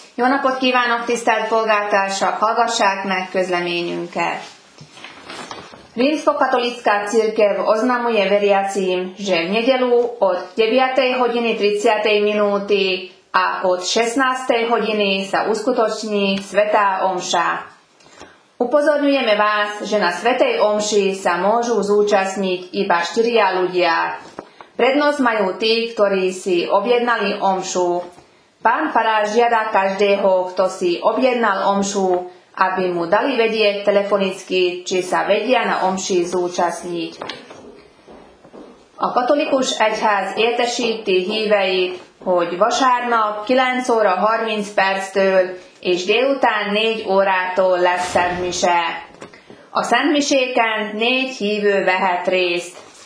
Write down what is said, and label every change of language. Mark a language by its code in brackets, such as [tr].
[hu] Jó napot kívánok, tisztelt polgártársak, hallgassák meg közleményünket. [sk] Rímskokatolická cirkev oznamuje veriacím, že v nedeľu od 9:30 a od 16:00 sa uskutoční svätá omša. Upozorňujeme vás, že na svätej omši sa môžu zúčastniť iba 4 ľudia. Prednosť majú tí, ktorí si objednali omšu. Pán farár žiada každého, kto si objednal omšu, aby mu dali vedieť telefonicky, či sa vedia na omši zúčastniť. [hu] A katolikus egyház értesíti híveit, hogy vasárnap 9:30 és délután 4:00 lesz szentmise. A szentmiséken 4 hívő vehet részt.